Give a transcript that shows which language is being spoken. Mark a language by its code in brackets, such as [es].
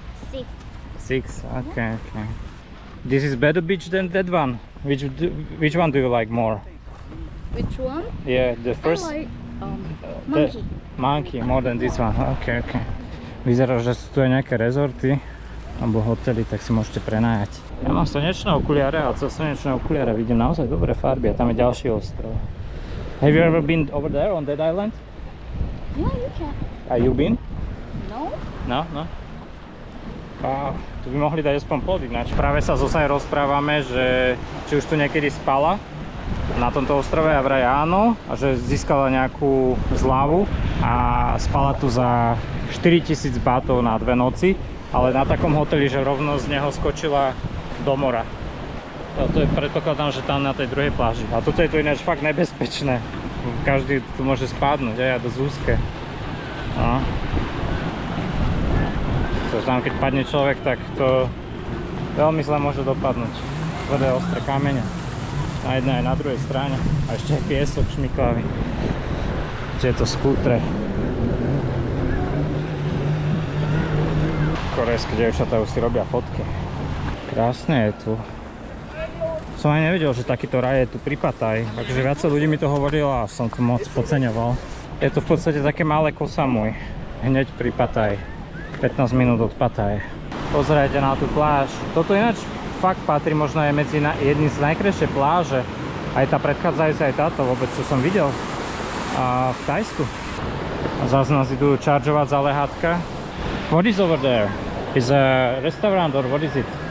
[en] Six. Six. Okay, yeah. Okay. This is better beach than that one. Which one do you like more? Which one? Yeah, the first. Like, monkey. Monkey more than this one. Okay, okay. [sk] Vyzerá, že sú tu aj nejaké rezorty alebo hotely, tak si môžete prenajať. Ja mám slnečné okuliare a cez slnečné okuliare vidím naozaj dobré farby a tam je ďalší ostrov. [en] Have you ever been over there on that island? Yeah, you can. Are you been? No. No, no. [sk] A tu by mohli dať aspoň plody, ináč práve sa zosaj rozprávame, že či už tu niekedy spala na tomto ostrove a vraj áno a že získala nejakú zľavu a spala tu za 4000 bátov na dve noci, ale na takom hoteli, že rovno z neho skočila do mora. A to je predpokladám, že tam na tej druhej pláži. A toto je tu ináč fakt nebezpečné. Každý tu môže spadnúť, aj ja dosť úzke. No. To tam, keď padne človek, tak to veľmi zle môže dopadnúť. Tvrdé ostré kamene. Na jednej aj na druhej strane. A ešte aj piesok šmiklavý. Tieto skútre. Korejské dievčatá už si robia fotky. Krásne je tu. Som aj nevedel, že takýto raj je tu pri Pattaye. Takže viac ľudí mi to hovorilo a som to moc podceňoval. Je to v podstate také malé Koh Samui. Hneď pri Pattaye. 15 minút od Pattaye. Pozerajte na tú pláž. Toto ináč fakt patrí možno aj medzi jedným z najkrajšie pláže. Aj tá predchádzajúca, aj táto vôbec, čo som videl. A v Tajsku. A zás nás idú čaržovať za lehátka. [en] What is over there? Is a restaurant or what is it?